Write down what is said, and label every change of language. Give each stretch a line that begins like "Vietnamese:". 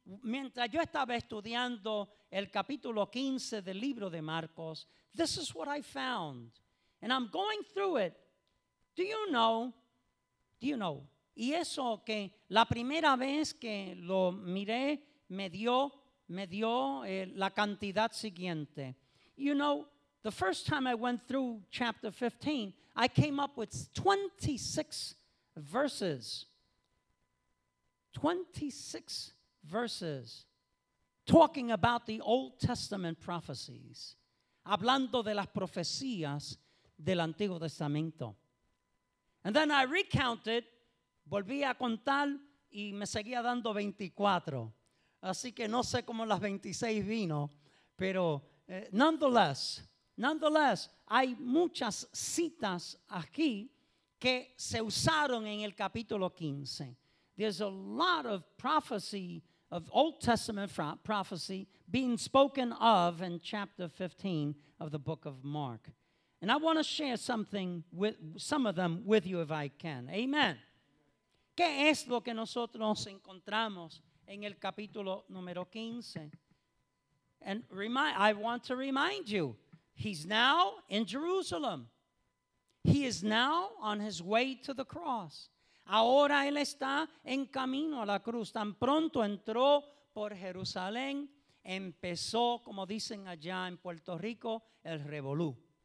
Spanish: Mientras yo estaba estudiando el capítulo 15 del libro de Marcos,
English: this is what I found. And I'm going through it. Do you know?
Spanish: Y eso que la primera vez que lo miré, me dio la cantidad siguiente.
English: You know, the first time I went through chapter 15, I came up with 26 verses. 26 verses talking about the Old Testament prophecies.
Spanish: Hablando de las profecías del Antiguo Testamento.
English: And then I recounted,
Spanish: volví a contar y me seguía dando 24. Así que no sé cómo las 26 vino, pero nonetheless, hay muchas citas aquí que se usaron en el capítulo 15.
English: There's a lot of prophecy, of Old Testament prophecy, being spoken of in chapter 15 of the book of Mark. And I want to share some of them with you if I can. Amen.
Spanish: ¿Qué es lo que nosotros encontramos en el capítulo número 15?
English: And I want to remind you, he's now in Jerusalem. He is now on his way to the cross.
Spanish: Ahora él está en camino a la cruz. Tan pronto entró por Jerusalén, empezó, como dicen allá en Puerto Rico, el revolú.